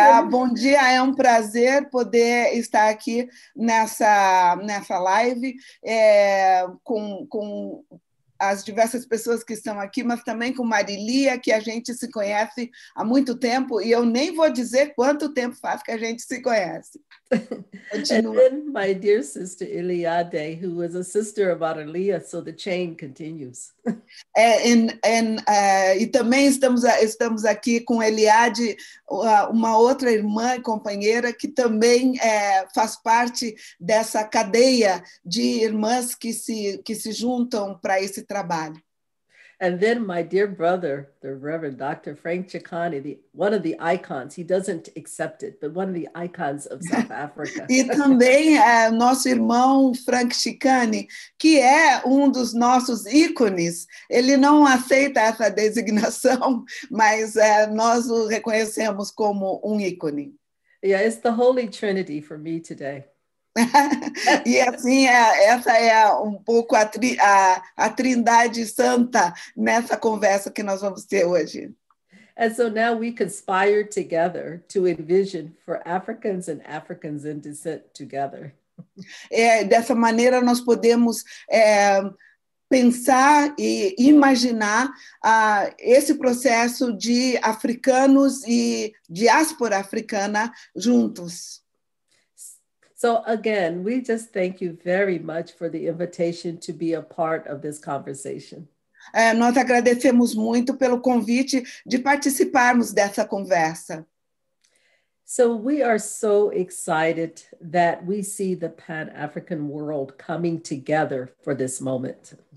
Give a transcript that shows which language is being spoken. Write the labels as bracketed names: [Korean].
[Portuguese] Bom dia, é um prazer poder estar aqui nessa live com as diversas pessoas que estão aqui, mas também com Marilia, que a gente se conhece há muito tempo, e eu nem vou dizer quanto tempo faz que a gente se conhece. Continua. [English] And then my dear sister Iliade, who was a sister of Marilia, so the chain continues. [Portuguese] E também estamos aqui com Eliade, uma outra irmã e companheira que também faz parte dessa cadeia de irmãs que se juntam para esse trabalho. [English] And then my dear brother, the Reverend Dr. Frank Chikane, one of the icons, he doesn't accept it, but one of the icons of South Africa. [Portuguese] E também nosso irmão Frank Chikane, que é dos nossos ícones, ele não aceita essa designação, mas nós o reconhecemos como ícone. [English] Yeah, it's the Holy Trinity for me today. [Portuguese] E assim, essa é pouco a Trindade Santa nessa conversa que nós vamos ter hoje. [English] And so now we conspire together to envision for Africans and Africans in descent together. [Portuguese] Dessa maneira nós podemos pensar e imaginar esse processo de africanos e diáspora africana juntos. [English] So again, we just thank you very much for the invitation to be a part of this conversation. [Portuguese] Nós agradecemos muito pelo convite de participarmos dessa conversa. [English] So we are so excited that we see the Pan-African world coming together for this moment.